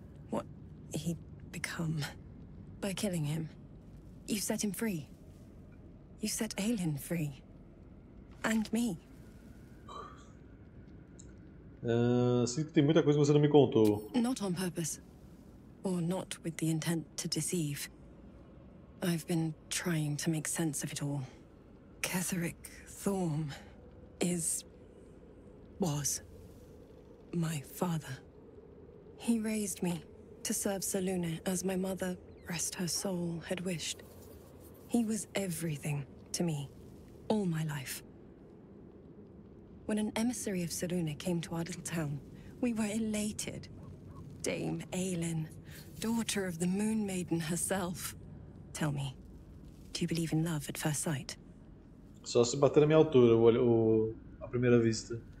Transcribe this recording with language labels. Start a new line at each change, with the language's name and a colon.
English: What he'd become by killing him. You set him free. You set Aelin free. And me.
Portuguese: Sinto que tem muita coisa que você não me contou.
English: Not on purpose. Or not with the intent to deceive. I've been trying to make sense of it all. Ketherick Thorm is... was... my father. He raised me to serve Saluna as my mother, rest her soul, had wished. He was everything to me, all my life. When an emissary of Saluna came to our little town, we were elated. Dame Aelin, daughter of the Moon Maiden herself. Tell me, do you believe in love at first sight?
Portuguese: Só se bater na minha altura, a primeira vista.